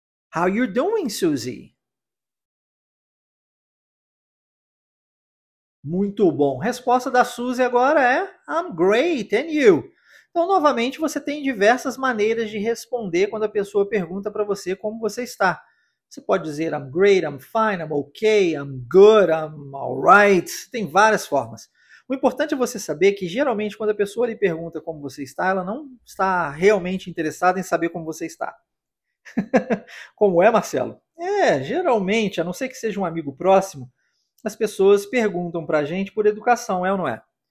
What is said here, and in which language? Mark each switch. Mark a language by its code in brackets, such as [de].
[en] How you doing, Suzy? [pt] Muito bom. Resposta da Suzy agora é [en] I'm great, and you? [pt] Então, novamente, você tem diversas maneiras de responder quando a pessoa pergunta para você como você está. Você pode dizer [en] I'm great, I'm fine, I'm okay, I'm good, I'm all right. [pt] Tem várias formas. O importante é você saber que geralmente quando a pessoa lhe pergunta como você está, ela não está realmente interessada em saber como você está. Como é, Marcelo? É, geralmente, a não ser que seja um amigo próximo, as pessoas perguntam para a gente por educação, é ou não é?